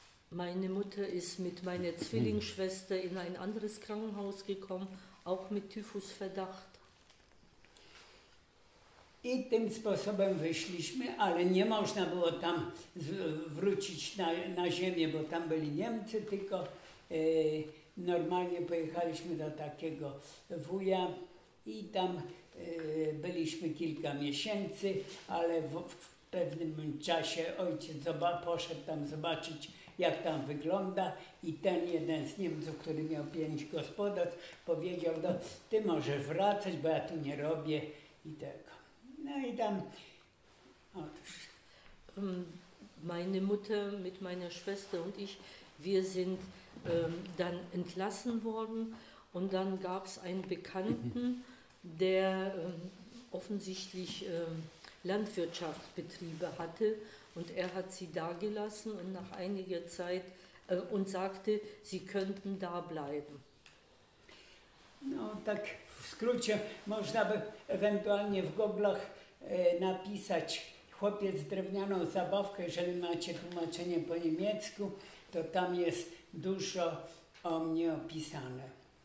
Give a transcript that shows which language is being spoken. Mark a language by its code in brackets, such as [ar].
[de] Meine Mutter ist mit meiner Zwillingsschwester in ein anderes Krankenhaus gekommen, auch mit Typhusverdacht. [pl] I tym sposobem wyszliśmy, ale nie można było tam wrócić na ziemię, bo tam byli Niemcy, tylko normalnie pojechaliśmy do takiego wuja i tam byliśmy kilka miesięcy, ale w pewnym czasie ojciec poszedł tam zobaczyć, jak tam wygląda, i ten jeden z Niemców, który miał 5 gospodarstw, powiedział: no, ty możesz wracać, bo ja tu nie robię i tego. No i tam. Otóż. [de] Meine Mutter mit meiner Schwester und ich, wir sind dann entlassen worden, und dann gab es einen Bekannten, der offensichtlich Landwirtschaftsbetriebe hatte. Und er hat sie da gelassen und nach einiger Zeit und sagte, sie könnten da bleiben. [pl] No tak w skrócie można by ewentualnie w goglach napisać chłopiec z drewnianą zabawką, jeżeli macie tłumaczenie po niemiecku, to tam jest dużo o mnie opisane.